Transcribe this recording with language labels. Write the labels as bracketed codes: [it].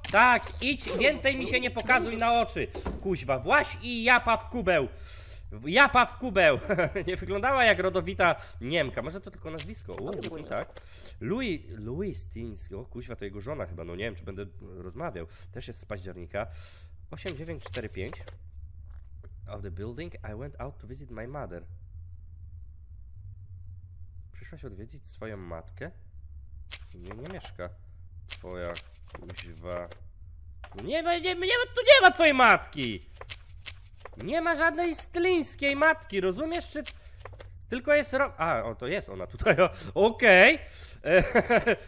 [pl] Tak, idź, więcej mi się nie pokazuj na oczy. Kuźwa, właś i japa w kubeł. Japa w kubeł. Nie wyglądała jak rodowita Niemka. Może to tylko nazwisko. Tak. Louis Stinski. O, kuźwa, to jego żona chyba. No nie wiem, czy będę rozmawiał. Też jest z października. 8945. [en] Of the building, I went out to visit my mother. [pl] Przyszłaś odwiedzić swoją matkę? Nie mieszka. Twoja kuźwa. Nie, tu nie ma twojej matki! Nie ma żadnej stlińskiej matki, rozumiesz? Czy tylko jest ro... A, o, to jest ona tutaj. Okej. Okay.